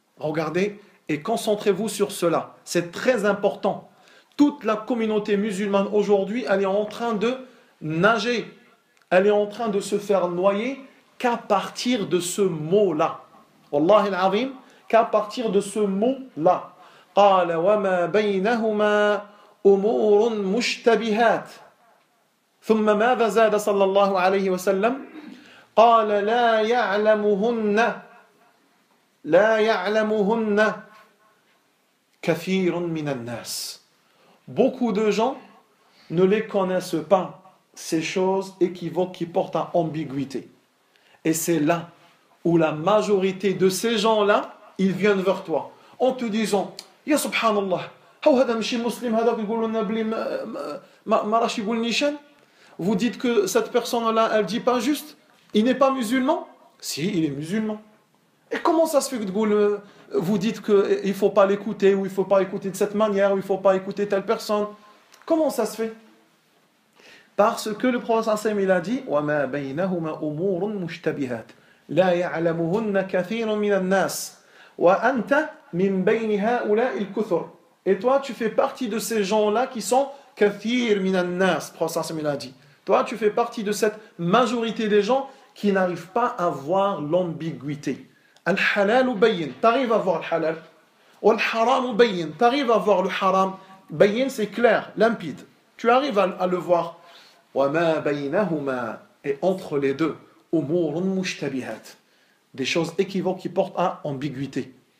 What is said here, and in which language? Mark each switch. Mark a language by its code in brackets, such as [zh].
[fr] Regardez et concentrez-vous sur cela. C'est très important. Toute la communauté musulmane aujourd'hui, elle est en train de nager. Elle est en train de se faire noyer qu'à partir de ce mot-là. [ar] Wallahi al-azim, [fr] qu'à partir de ce mot-là. [ar] قَالَ وَمَا بَيْنَهُمَا أُمُورٌ مُشْتَبِهَاتٌ ثُمَّ مَاذَا زَادَ صَلَّى اللَّهُ عَلَيْهِ وَسَلَّمْ قال لا يعلمهن لا يعلمهن كثير من الناس. [fr] Beaucoup de gens ne les connaissent pas, ces choses équivoques qui portent à ambiguïté. Et c'est là où la majorité de ces gens-là, ils viennent vers toi en te disant ya subhanallah, [ar] هذا مش مسلم هذا يقولون بلي ما راش يقول نيشان. [fr] Vous dites que cette personne-là, elle dit pas juste. Il n'est pas musulman? Si, il est musulman. Et comment ça se fait que vous dites qu'il ne faut pas l'écouter, ou il ne faut pas écouter de cette manière, ou il ne faut pas écouter telle personne? Comment ça se fait? Parce que le prophète, il a dit « [ar] وَمَا بَيْنَهُمَا أُمُورٌ مُشْتَبِهَاتٌ لَا يَعْلَمُهُنَّ كَثِيرٌ مِنَ النَّاسِ وَأَنْتَ مِنْ بَيْنِهَا أُولَئِ الْكُثُرُ. [fr] Et toi, tu fais partie de ces gens-là qui sont [ar] كثير من الناس, Prophet صلى الله عليه وسلم [fr] a dit. Toi, tu fais partie de cette majorité des gens qui n'arrivent pas à voir l'ambiguïté. [ar] Al-halal ou bayin, [fr] t'arrives à voir le halal. Ou [ar] al-haram ou bayin, [fr] t'arrives à voir le haram. Bayin, c'est clair, limpide. Tu arrives à le voir. [ar] Wa ma baynahuma, [fr] et entre les deux, [ar] umurun mushtabihat, [fr] des choses équivoques qui portent à ambiguïté.